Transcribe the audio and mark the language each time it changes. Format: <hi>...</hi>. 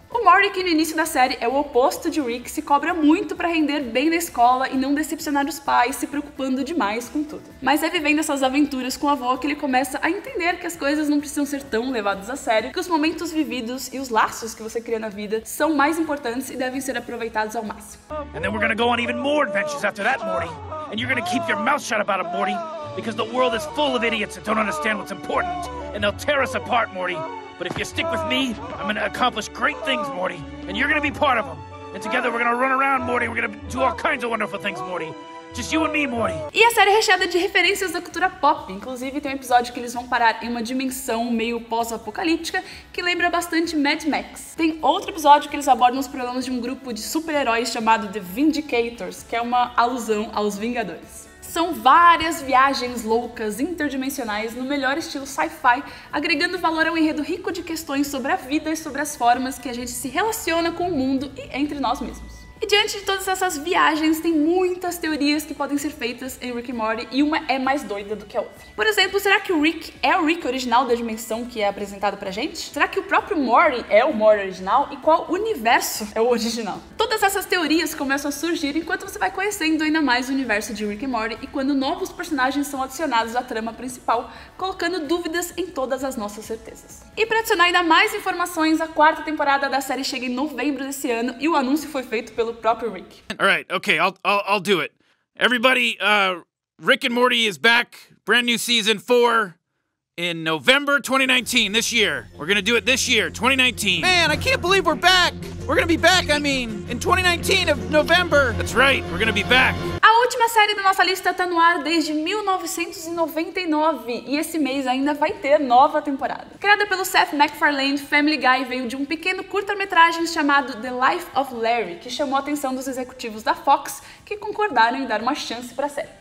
<pt>O Morty, que no início da série é o oposto de Rick, se cobra muito pra render bem na escola e não decepcionar os pais, se preocupando demais com tudo. Mas é vivendo essas aventuras com o avô que ele começa a entender que as coisas não precisam ser tão levadas a sério, que os momentos vividos e os laços que você cria na vida são mais importantes e devem ser aproveitados ao máximo.</pt> <en>And then we're gonna go on even more adventures after that, Morty. And you're gonna keep your mouth shut about it, Morty, because the world is full of idiots that don't understand what's important, and they'll tear us apart, Morty. But if you stick with me, I'm gonna accomplish great things, Morty, and you're gonna be part of them. And together we're gonna run around, Morty. We're gonna do all kinds of wonderful things, Morty. Just you and me, Morty.</en> <pt>E a série é recheada de referências da cultura pop. Inclusive, tem um episódio que eles vão parar em uma dimensão meio pós-apocalíptica que lembra bastante Mad Max. Tem outro episódio que eles abordam os problemas de um grupo de super-heróis chamado The Vindicators, que é uma alusão aos Vingadores. São várias viagens loucas, interdimensionais, no melhor estilo sci-fi, agregando valor a um enredo rico de questões sobre a vida e sobre as formas que a gente se relaciona com o mundo e entre nós mesmos. E diante de todas essas viagens, tem muitas teorias que podem ser feitas em Rick and Morty e uma é mais doida do que a outra. Por exemplo, será que o Rick é o Rick original da dimensão que é apresentado pra gente? Será que o próprio Morty é o Morty original? E qual universo é o original? Todas essas teorias começam a surgir enquanto você vai conhecendo ainda mais o universo de Rick and Morty e quando novos personagens são adicionados à trama principal, colocando dúvidas em todas as nossas certezas. E pra adicionar ainda mais informações, a quarta temporada da série chega em novembro desse ano e o anúncio foi feito pelo próprio Rick.</pt> <en>Alright, okay, I'll do it. Everybody, Rick and Morty is back, brand new season 4, in November 2019, this year. We're gonna do it this year, 2019. Man, I can't believe we're back! We're gonna be back, I mean, in 2019 of November. That's right, we're gonna be back.</en> <pt>A última série da nossa lista tá no ar desde 1999 e esse mês ainda vai ter nova temporada. Criada pelo Seth MacFarlane, Family Guy veio de um pequeno curta-metragem chamado The Life of Larry, que chamou a atenção dos executivos da Fox, que concordaram em dar uma chance pra série.</pt>